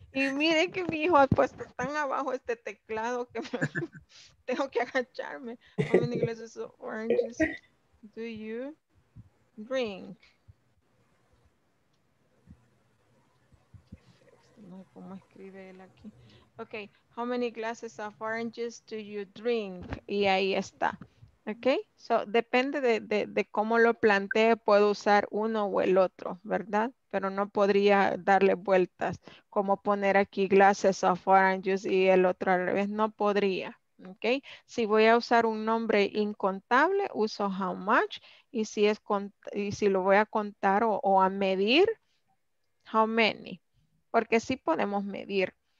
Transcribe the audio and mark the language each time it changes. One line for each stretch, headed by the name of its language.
Spanish: Y mire que mi hijo ha puesto tan abajo este teclado que tengo que agacharme.
English: How many glasses of oranges do you drink?
Spanish: No sé cómo escribe él aquí.
English: Ok, how many glasses of oranges do you drink?
Spanish: Y ahí está. Ok, so depende de cómo lo plantee, puedo usar uno o el otro, ¿verdad? Pero no podría darle vueltas, como poner aquí
English: glasses of orange juice
Spanish: y el otro al revés, no podría. Ok, si voy a usar un nombre incontable, uso
English: how much,
Spanish: y si es con, y si lo voy a contar o a medir,
English: how many,
Spanish: porque sí podemos medir.